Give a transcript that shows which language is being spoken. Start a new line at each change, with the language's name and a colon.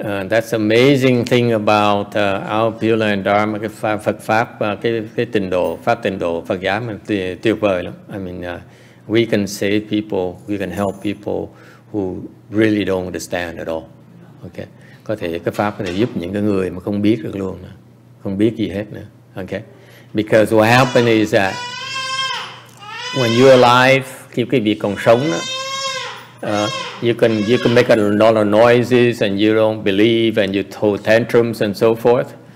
English: That's amazing thing about our Pure Land Dharma,
Vietnamese: cái Phật pháp, cái tình độ, pháp tình độ Phật giáo mình tuyệt vời lắm.
English: I mean, we can save people, we can help people who really don't understand at all.
Vietnamese: Okay, có thể cái pháp có thể giúp những cái người mà không biết được luôn, không biết gì hết nữa.
English: Okay, because what happened is that when you're alive,
Vietnamese: khi cái việc còn sống đó,
English: you can make a lot of noises and you don't believe and you throw tantrums and so forth.